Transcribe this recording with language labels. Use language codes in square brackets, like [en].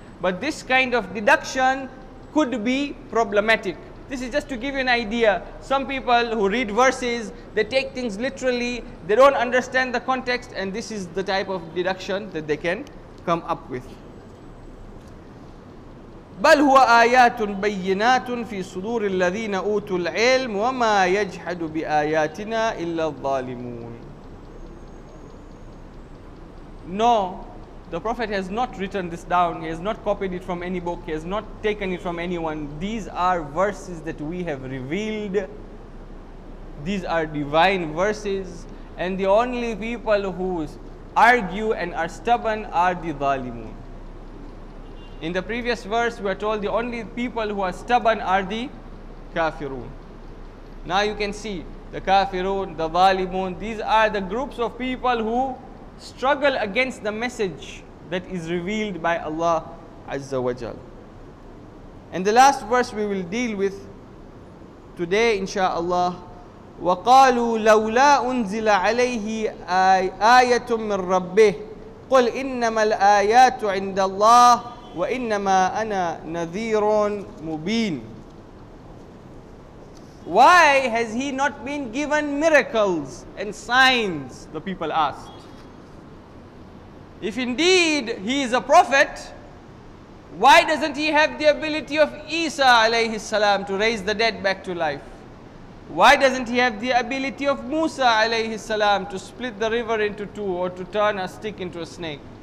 [en] But this kind of deduction could be problematic. This is just to give you an idea. Some people who read verses, they take things literally, they don't understand the context, and this is the type of deduction that they can come up with. [ar] بَلْ هُوَ آيَاتٌ بَيِّنَاتٌ فِي صُدُورِ الَّذِينَ أُوتُوا الْعِلْمُ وَمَا يَجْحَدُ بِآيَاتِنَا إِلَّا الظَّالِمُونَ [en] No, the Prophet has not written this down. He has not copied it from any book. He has not taken it from anyone. These are verses that we have revealed. These are divine verses. And the only people who argue and are stubborn are the ظَالِمُونَ In the previous verse, we are told the only people who are stubborn are the kafirun. Now you can see the kafirun, the zalimun, these are the groups of people who struggle against the message that is revealed by Allah Azza wa Jal. And the last verse we will deal with today, insha'Allah. [ar] وَقَالُوا لَوْلَا أُنزِلَ عَلَيْهِ آيَةٌ مِّن رَبِّهِ قُلْ إِنَّمَا الْآيَاتُ عِنْدَ اللَّهِ وَإِنَّمَا أَنَا نَذِيرٌ مُبِينٌ [en] Why has he not been given miracles and signs? The people asked. If indeed he is a prophet, why doesn't he have the ability of Isa alayhi salam to raise the dead back to life? Why doesn't he have the ability of Musa alayhi salam to split the river into two or to turn a stick into a snake?